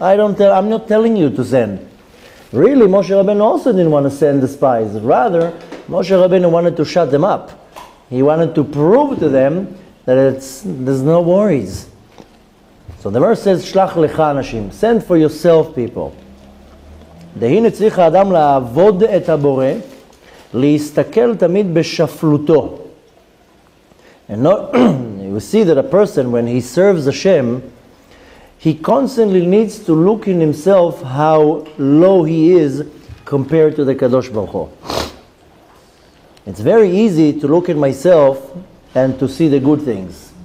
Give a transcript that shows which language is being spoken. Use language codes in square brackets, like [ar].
[en] I'm not telling you to send. Really, Moshe Rabbeinu also didn't want to send the spies. Rather, Moshe Rabbeinu wanted to shut them up. He wanted to prove to them that there's no worries. So the verse says, [he] Shlach Lecha Anashim. [en] Send for yourself, people. [he] דהינה צריך האדם לעבוד את הבורא, להסתכל תמיד בשפלותו. [en] And not, you see that a person, when he serves Hashem, he constantly needs to look in himself how low he is compared to the Kadosh Baruch Hu. It's very easy to look at myself and to see the good things.